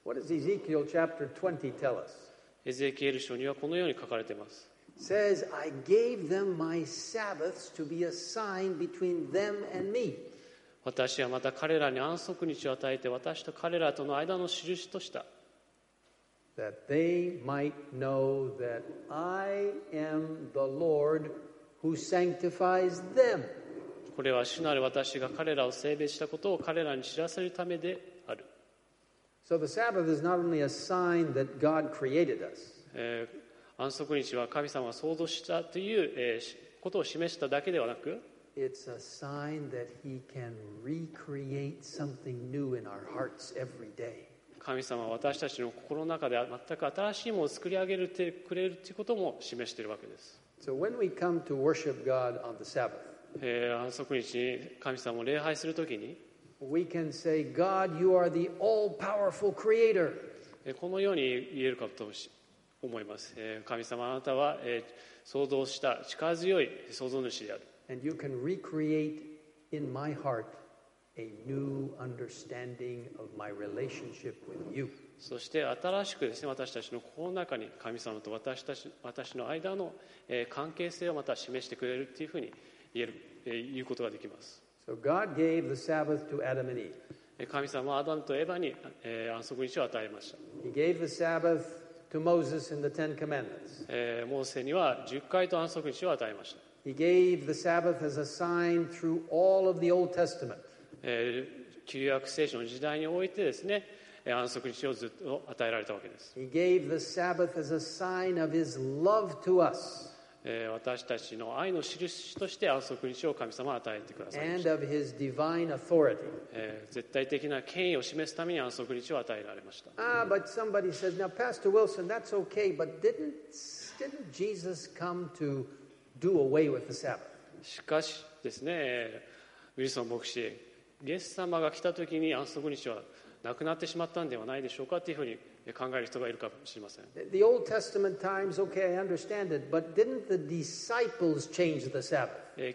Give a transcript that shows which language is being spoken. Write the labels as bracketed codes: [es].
[en] What does Ezekiel chapter 20 tell us? [ja] エゼキエル書にはこのように書かれています。 [en] Says, I gave them my Sabbaths to be a sign between them and me. [ja] 私はまた彼らに安息日を与えて私と彼らとの間の印とした。 [en] That they might know that I am the Lord who sanctifies them. [ja] これは主なる私が彼らを聖別したことを彼らに知らせるためである。 [en] So the Sabbath is not only a sign that God created us. [ja] 安息日は神様が創造したという、ことを示しただけではなく、 [en] It's a sign that He can recreate something new in our hearts every day. [ja] 神様は私たちの心の中で全く新しいものを作り上げるてくれるということも示しているわけです。 [en] So when we come to worship God on the Sabbath, [ja] 安息日に神様を礼拝するときに、 [en] We can say, God, you are the all-powerful creator. [ja] このように言えるかと思います。神様、あなたは創造した力強い創造主である。 [en] And you can recreate in my heart a new understanding of my relationship with you. [ja] そして新しくですね、私たちの心の中に神様と私の間の関係性をまた示してくれるというふうに言うことができます。 [en] So God gave the Sabbath to Adam and Eve. [ja] 神様はアダムとエヴァに安息日を与えました。 [en] He gave the Sabbath to Moses in the Ten Commandments. [ja] モーセには十戒と安息日を与えました。 [en] He gave the Sabbath as a sign through all of the Old Testament. [ja] 旧約聖書の時代においてですね、安息日をずっと与えられたわけです。 [en] He gave the Sabbath as a sign of His love to us. [ja] 私たちの愛の印として安息日を神様は与えてくださいました。 [en] And of His divine authority. [ja] 絶対的な権威を示すために安息日を与えられました。 [en] Ah, but somebody says, now Pastor Wilson, that's okay, but didn't Jesus come to do away with the Sabbath? [ja] しかしですね、ウィルソン牧師、イエス様が来た時に安息日はなくなってしまったんではないでしょうかというふうに考える人がいるかもしれません。 [en] The Old Testament times, okay, I understand it, but didn't the disciples change the Sabbath?